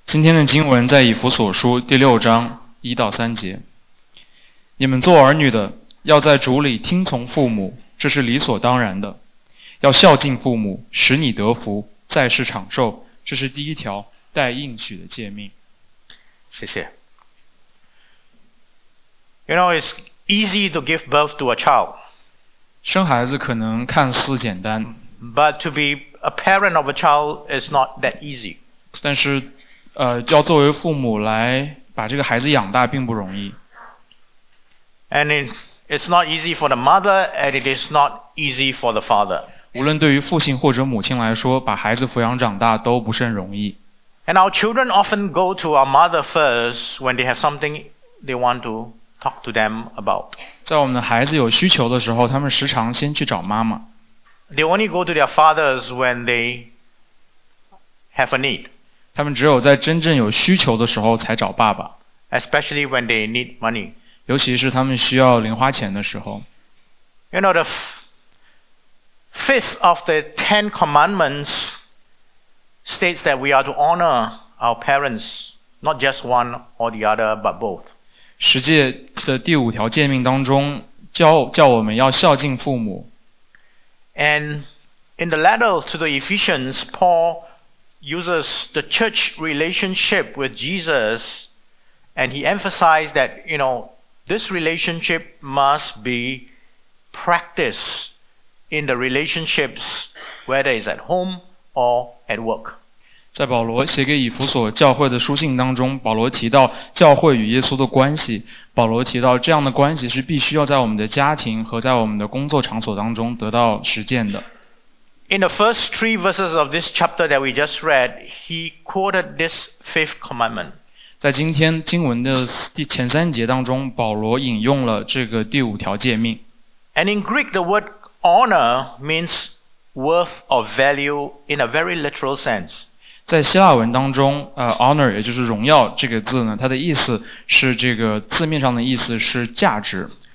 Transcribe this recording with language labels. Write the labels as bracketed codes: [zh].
[zh] 今天的经文在以弗所书第六章一到三节。你们做儿女的，要在主里听从父母，这是理所当然的。要孝敬父母，使你得福，在世长寿，这是第一条带应许的诫命。谢谢。 [en] You know, it's easy to give birth to a child. [zh] 生孩子可能看似简单。 [en] But to be a parent of a child is not that easy. [zh] 但是要作为父母来把这个孩子养大并不容易。 [en] And it's not easy for the mother, and it is not easy for the father. [zh] 无论对于父亲或者母亲来说，把孩子抚养长大都不甚容易。 [en] And our children often go to our mother first when they have something they want to talk to them about. [zh] 在我们的孩子有需求的时候，他们时常先去找妈妈。 [en] They only go to their fathers when they have a need. [zh] 他们只有在真正有需求的时候才找爸爸。 [en] Especially when they need money. [zh] 尤其是他们需要零花钱的时候。 [en] You know, the fifth of the Ten Commandments states that we are to honor our parents, not just one or the other, but both. [zh] 十诫的第五条诫命当中叫我们要孝敬父母。 [en] And in the letter to the Ephesians, Paul uses the church relationship with Jesus, and he emphasized that, you know, this relationship must be practiced in the relationships, whether it's at home or at work. [zh] 在保罗写给以弗所教会的书信当中，保罗提到教会与耶稣的关系，保罗提到这样的关系是必须要在我们的家庭和在我们的工作场所当中得到实践的。 [en] In the first three verses of this chapter that we just read, he quoted this fifth commandment. [zh] 在今天经文的前三节当中，保罗引用了这个第五条诫命。 [en] And in Greek, the word honor means worth or value in a very literal sense. [zh] 在希腊文当中honor 也就是荣耀这个字呢，它的意思是这个字面上的意思是价值。